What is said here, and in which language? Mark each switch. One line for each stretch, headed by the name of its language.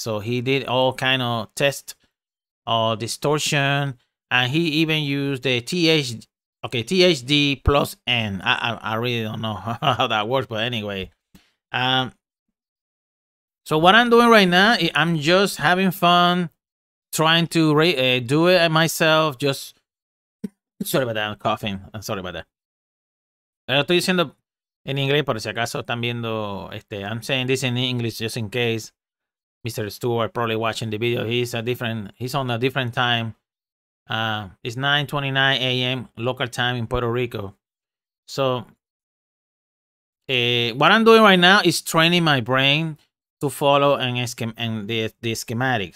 English: So he did all kind of tests. Distortion, and he even used the THD plus N. I really don't know how that works, but anyway. So what I'm doing right now, I'm just having fun trying to do it myself. Just sorry about that, I'm coughing. I'm sorry about that.
Spanish: Estoy diciendo en inglés, por si acaso están viendo.
English: I'm saying this in English just in case. Mr. Stewart probably watching the video. He's on a different time. It's 9:29 a.m. local time in Puerto Rico. So what I'm doing right now is training my brain to follow the schematic.